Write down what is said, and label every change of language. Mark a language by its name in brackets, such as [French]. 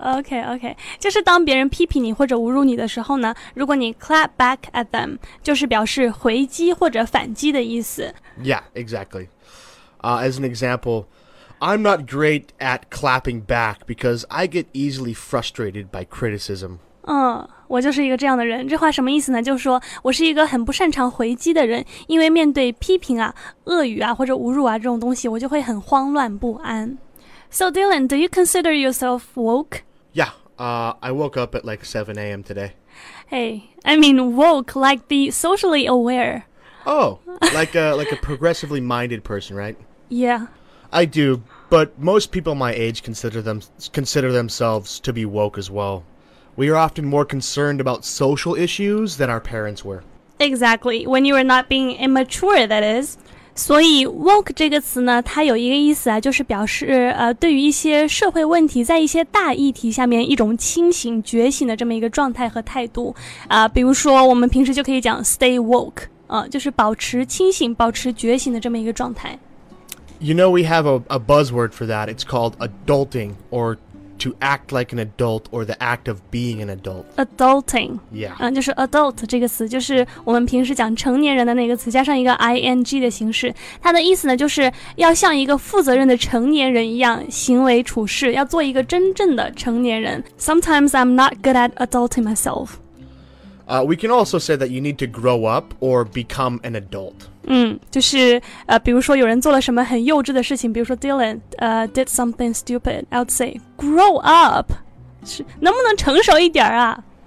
[English] Okay, okay. [Chinese] 就是当别人批评你或者侮辱你的时候呢，如果你 [English] clap back at them, [Chinese] 就是表示回击或者反击的意思。 [English] Yeah, exactly. As an example, I'm not great at clapping back because I get easily frustrated by criticism. [Chinese] 我就是一个这样的人。这话什么意思呢？就是说我是一个很不擅长回击的人，因为面对批评啊、恶语啊或者侮辱啊这种东西，我就会很慌乱不安。 [English] So Dylan, do you consider yourself woke? Yeah, I woke up at like 7 a.m. today. Hey, I mean woke like the socially aware. Oh, like a progressively minded person, right? Yeah. I do, but most people my age consider themselves to be woke as well. We are often more concerned about social issues than our parents were. Exactly. When you are not being immature, that is. [Chinese] 所以 woke 这个词呢，它有一个意思啊，就是表示对于一些社会问题，在一些大议题下面一种清醒觉醒的这么一个状态和态度。比如说我们平时就可以讲 [English] stay woke, [Chinese] 就是保持清醒，保持觉醒的这么一个状态。 [English] You know, we have a buzzword for that. It's called adulting, or to act like an adult or the act of being an adult. Adulting. Yeah. [Chinese] 就是 adult 这个词，就是我们平时讲成年人的那个词，加上一个 ing 的形式。它的意思呢，就是要像一个负责任的成年人一样行为处事，要做一个真正的成年人。 [English] Sometimes I'm not good at adulting myself. We can also say that you need to grow up or become an adult. [Chinese] 就是比如说有人做了什么很幼稚的事情，比如说 [English] Dylan did something stupid. I would say grow up. [Chinese] 是能不能成熟一点啊？